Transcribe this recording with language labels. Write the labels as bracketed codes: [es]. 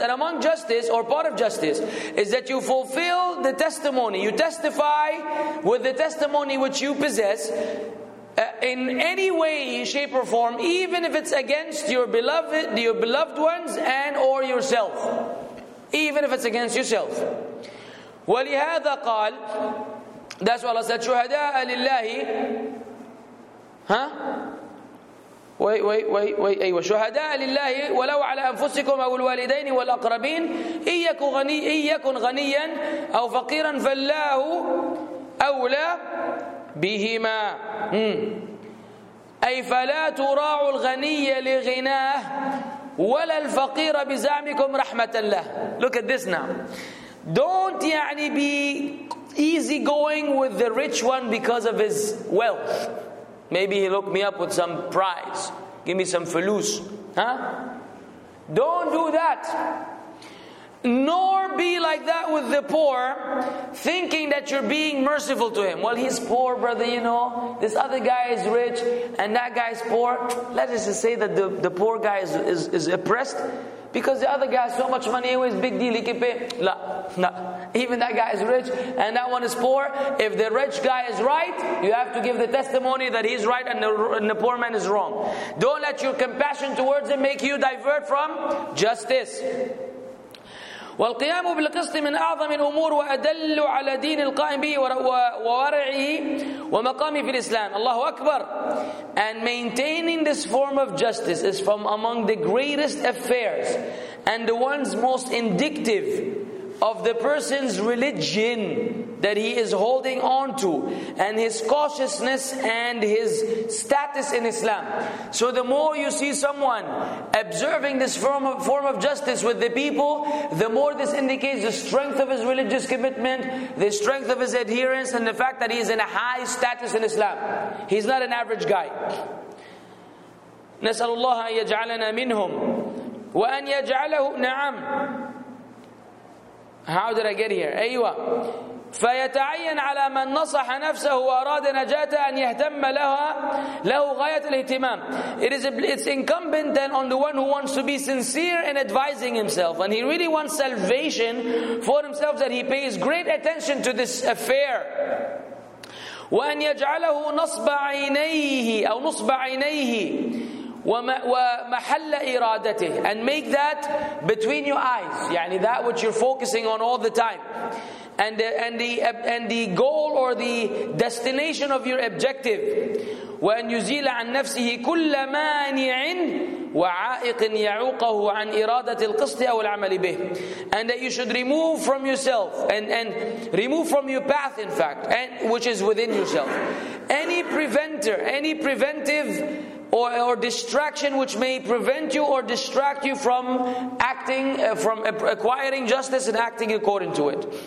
[en] And among justice, or part of justice, is that you fulfill the testimony, you testify with the testimony which you possess, in any way, shape or form, even if it's against your beloved ones and or yourself. Even if it's against yourself. [ar] وَلِهَذَا قَالْ. [en] That's what Allah said, [ar] شُهَدَاءَ لِلَّهِ. [en] Huh? Wait. [ar] شهداء لله ولو على أنفسكم أو الوالدين والأقربين إن يكن غنيا أو فقيرا فالله أولى بهما. أي فلا تراعوا الغني لغناه ولا الفقير بزعمكم رحمة له. [en] Look at this now. Don't يعني be easy going with the rich one because of his wealth. Maybe he'll hook me up with some prize. Give me some fulus. Huh? Don't do that. Nor be like that with the poor, thinking that you're being merciful to him. Well, he's poor, brother, you know. This other guy is rich, and that guy's poor. Let us just say that the poor guy is oppressed, because the other guy has so much money, anyways, big deal, he can pay. Nah. Even that guy is rich and that one is poor. If the rich guy is right, you have to give the testimony that he's right and the poor man is wrong. Don't let your compassion towards him make you divert from justice. [ar] والقيام بالقسط من أعظم الأمور وأدل على دين القائم به وورعه ومقامه في الإسلام. الله أكبر. [en] And maintaining this form of justice is from among the greatest affairs and the ones most indicative of the person's religion that he is holding on to, and his cautiousness and his status in Islam. So the more you see someone observing this form of justice with the people, the more this indicates the strength of his religious commitment, the strength of his adherence, and the fact that he is in a high status in Islam. He's not an average guy. [ar] نسأل الله أن يجعلنا منهم وأن يجعله نعم. [en] How did I get here? أيوة. [ar] فيتعين على من نصح نفسه وأراد نجاته أن يهتم لها له غاية الاهتمام. [en] It's incumbent then on the one who wants to be sincere in advising himself and he really wants salvation for himself that he pays great attention to this affair. [ar] وأن يجعله نصب عينيه أو نصب عينيه ومحل إرادته. [en] And make that between your eyes, يعني that which you're focusing on all the time, and the goal or the destination of your objective. [ar] وأن يزيل عن نفسه كل مانع وعائق يعوقه عن إرادة القسط أو العمل به. [en] And that you should remove from yourself and remove from your path, in fact, and which is within yourself, any preventive. Or distraction which may prevent you or distract you from acting, from acquiring justice and acting according to it.